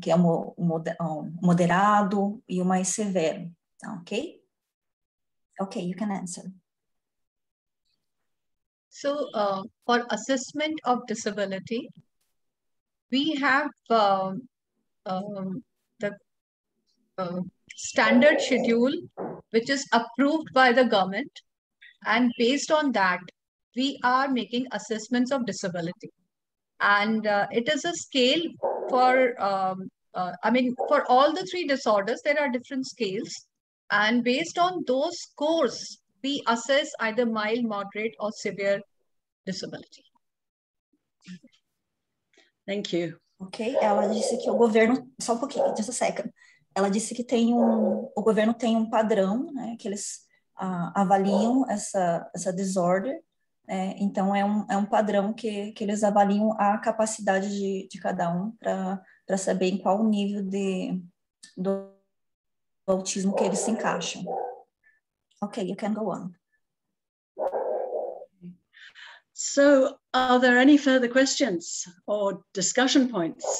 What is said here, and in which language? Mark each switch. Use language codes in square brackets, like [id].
[pt] Que é um moderado e o mais severo. [en] Então, ok? Ok, you can answer. So, for assessment of disability, we have standard schedule, which is approved by the government, and based on that, we are making assessments of disability. And it is a scale for all the three disorders, there are different scales, and based on those scores, we assess either mild, moderate, or severe disability. Thank you. [pt] Okay, ela disse que o governo, só um pouquinho, [en] just a second. [pt] Ela disse que o governo tem um padrão, né, que eles avaliam essa disorder, né, então é um padrão que eles avaliam a capacidade de cada um para saber em qual nível do autismo que eles se encaixam. [en] Ok, you can go on. So, are there any further questions or discussion points?